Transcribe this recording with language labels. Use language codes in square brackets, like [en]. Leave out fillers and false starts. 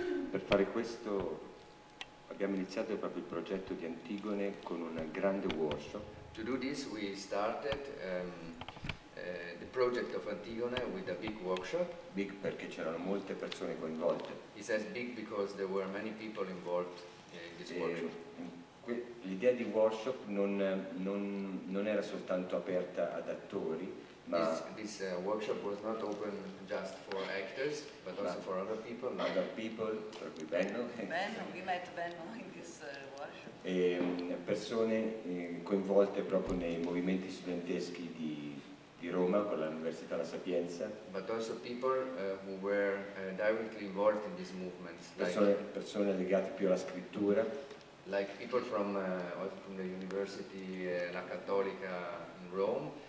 [it] Per fare questo abbiamo iniziato proprio il progetto di Antigone con un grande workshop. [en] To do this we started the project of Antigone with a big workshop. [it] Big perché c'erano molte persone coinvolte. [en] He says big because there were many people involved in this workshop. [it] L'idea di workshop non era soltanto aperta ad attori, ma [en] this workshop was not open just for actors, but also for other people. Other people, [it] per cui [en] Benno. Benno, we met Benno in this workshop. [it] E persone coinvolte proprio nei movimenti studenteschi di Roma con l'Università La Sapienza. [en] But also people who were directly involved in these movements. [it] Persone legate più alla scrittura. [en] Like people from from the University La Cattolica in Rome.